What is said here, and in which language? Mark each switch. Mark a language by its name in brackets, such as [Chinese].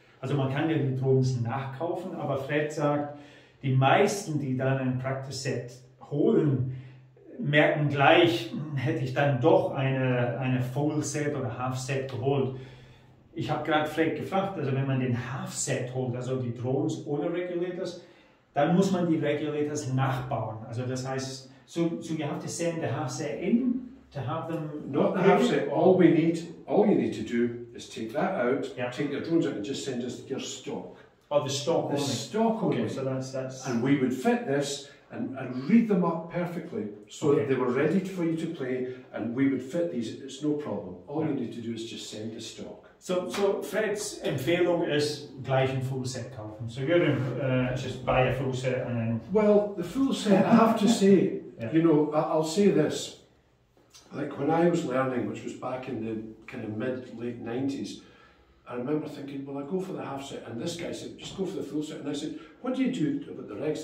[German] Also man kann ja die Drones nachkaufen, aber Fred sagt, die meisten, die dann ein Practice Set holen, merken gleich, hätte ich dann doch eine Full Set oder Half Set geholt. Ich habe gerade Fred gefragt, also wenn man den Half Set holt, also die Drones ohne Regulators, dann muss man die Regulators nachbauen. Also das heißt, [English] so you have to send the Half Set in to have them. Not the Half Set. All you need to do is take that out, take your drones out, and just send us your stock. Oh, the stock only. The stock only. Okay, so that's and we would fit this. and read them up perfectly so okay. that they were ready for you to play and we would fit these, it's no problem. All you need to do is just send the stock. [German] So Fred's Empfehlung is gleich ein [English] full set [German] kaufen. [English] So you're going to just buy a full set and then... Well, the full set, I have to say, yeah. you know, I'll say this. Like when I was learning, which was back in the kind of mid, late 90s, I remember thinking, well, I go for the half set. And this guy said, just go for the full set. And I said, what do you do about the regs?